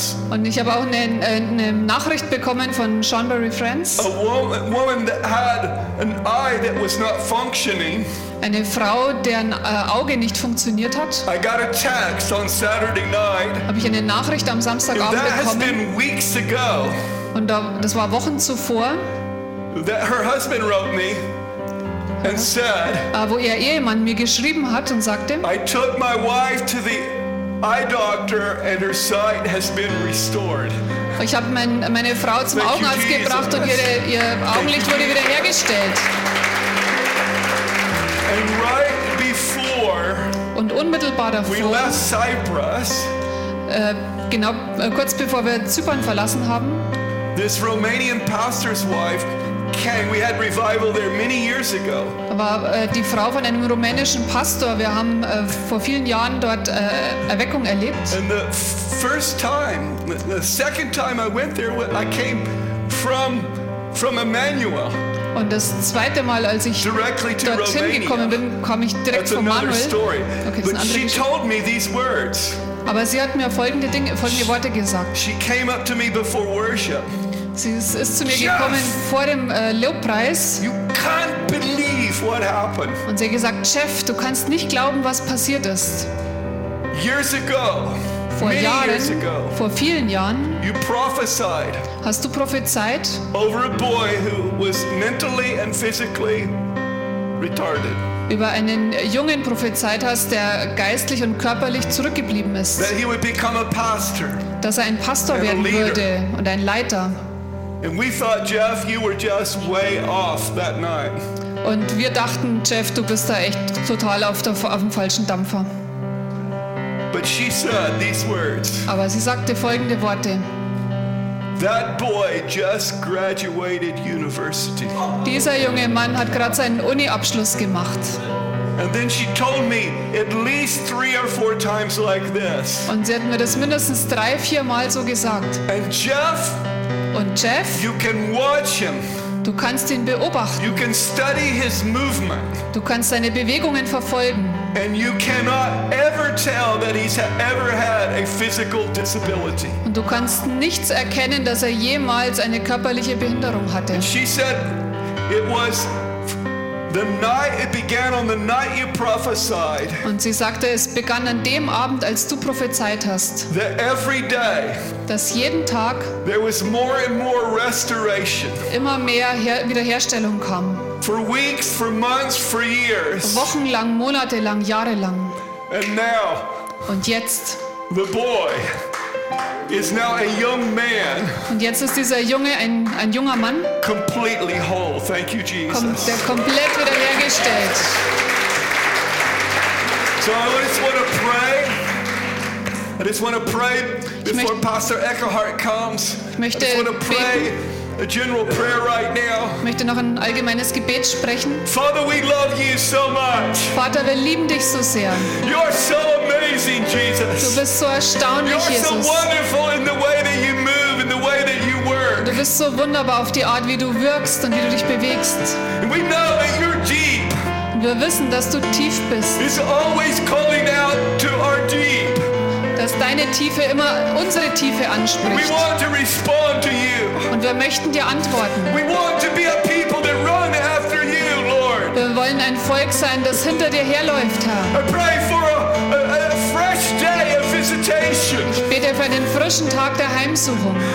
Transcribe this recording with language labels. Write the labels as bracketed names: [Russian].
[German] Und ich habe auch eine Nachricht bekommen von Chambéry, France. [English] Woman that had an eye that was not functioning. [German] Eine Frau, deren Auge nicht funktioniert hat. [English] I got a text on Saturday night. [German] Habe ich eine Nachricht am Samstagabend bekommen. [English] That has been weeks ago. [German] Und das war Wochen zuvor. [English] That her husband wrote me and said. [German] Wo ihr Ehemann mir geschrieben hat und sagte. [English] I took my wife to the eye doctor and her sight has been restored. [German] Ich habe meine Frau zum Augenarzt gebracht und ihr Augenlicht wurde wieder hergestellt. [English] And right before [German] und unmittelbar davor, [English] we left Cyprus, [German] genau kurz bevor wir Zypern verlassen haben, [English] this Romanian pastor's wife came. We had revival there many years ago. [German] War die Frau von einem rumänischen Pastor. Wir haben vor vielen Jahren dort Erweckung erlebt. [English] And the first time, the second time I went there, I came from Emmanuel. [German] Und das zweite Mal, als ich dorthin gekommen bin, kam ich direkt [English] That's [German] von Manuel. [English] Story. Okay, but she [German] Geschichte. [English] Told me these words. [German] Aber sie hat mir folgende Worte gesagt. [English] She came up to me before worship. [German] Sie ist zu mir gekommen [English] Jeff, [German] vor dem Lobpreis. [English] You can't believe what happened. [German] Und sie hat gesagt, Jeff, du kannst nicht glauben, was passiert ist. [English] Years ago, [German] vor [English] many [German] Jahren, [English] years ago, [German] vor vielen Jahren, [English] you prophesied [German] hast du prophezeit [English] over a boy who was mentally and physically retarded. [German] Über einen Jungen prophezeit hast, der geistlich und körperlich zurückgeblieben ist. [English] That he would become a pastor. [German] Dass er ein Pastor werden würde und ein Leiter. [English] And we thought, Jeff, you were just way off that night. [German] Und wir dachten, Jeff, du bist da echt total auf dem falschen Dampfer. [English] But she said these words. [German] Aber sie sagte folgende Worte. [English] That boy just graduated university. [German] Dieser junge Mann hat gerade seinen Uni-Abschluss gemacht. [English] And then she told me at least 3 or 4 times like this. [German] Und sie hat mir das mindestens 3, 4 Mal so gesagt. [English] And Jeff, [German] und Jeff, [English] you can watch him. [German] Du kannst ihn beobachten. [English] You can study his movement. [German] Du kannst seine Bewegungen verfolgen. [English] And you cannot ever tell that he's ever had a physical disability. [German] Und du kannst nichts erkennen, dass er jemals eine körperliche Behinderung hatte. [English] And she said it was the night it began on the night you prophesied. [German] Und sie sagte, es begann an dem Abend, als du prophezeit hast. [English] That every day. [German] Dass jeden Tag. [English] There was more and more restoration. [German] Immer mehr Wiederherstellung kam. [English] For weeks, for months, for years. [German] Wochenlang, monatelang, jahrelang. [English] And now. [German] Und jetzt. [English] The boy is now a young man. [German] Und jetzt ist dieser Junge ein junger Mann. [English] Completely whole. Thank you, Jesus. [German] Der komplett wiederhergestellt. [English] So I just want to pray. I just want to pray before Pastor Eckhart comes. [German] Ich möchte beten. [English] a general prayer right now. [German] Ich möchte noch ein allgemeines Gebet sprechen. [English] Father, we love you so much. [German] Vater, wir lieben dich so sehr. [English] You are so amazing, Jesus. [German] Du bist so erstaunlich, Jesus. [English] You are so wonderful in the way that you move, in the way that you work. [German] Du bist so wunderbar auf die Art, wie du wirkst und wie du dich bewegst. [English] And we know that you're deep. [German] Wir wissen, dass du tief bist. [English] He's always calling out to our deep. [German] Dass deine Tiefe immer unsere Tiefe anspricht. [English] We want to respond to you. [German] Und wir möchten dir antworten. [English] We want to be a people that run after you, Lord. [German] Wir wollen ein Volk sein, das hinter dir herläuft, Herr. [English] I pray for a fresh day of visitation. [German] Ich bete für einen frischen Tag der Heimsuchung.